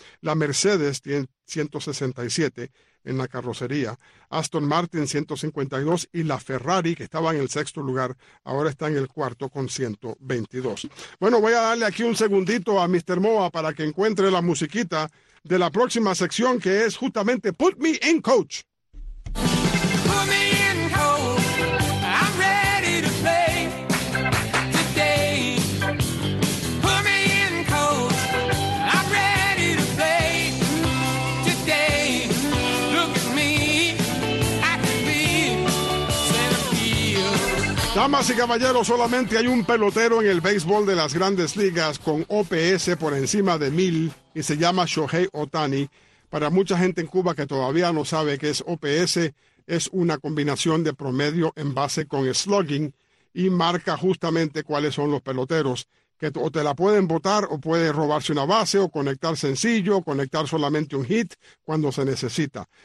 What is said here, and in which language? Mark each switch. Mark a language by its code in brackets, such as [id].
[es] La Mercedes tiene 167 en la carrocería. Aston Martin 152 y la Ferrari, que estaba en el sexto lugar, ahora está en el cuarto con 122. Bueno, voy a darle aquí un segundito a Mr. Moa para que encuentre la musiquita de la próxima sección, que es justamente Put Me In Coach. [en] Put me in coach, I'm ready to play today. Put me in coach, I'm ready to play today. Look at me, I can be centerfield. [es] Damas y caballeros, solamente hay un pelotero en el béisbol de las grandes ligas con OPS por encima de 1000. Y se llama Shohei Ohtani. Para mucha gente en Cuba que todavía no sabe qué es OPS, es una combinación de promedio en base con slugging y marca justamente cuáles son los peloteros que o te la pueden botar o puede robarse una base o conectar sencillo o conectar solamente un hit cuando se necesita.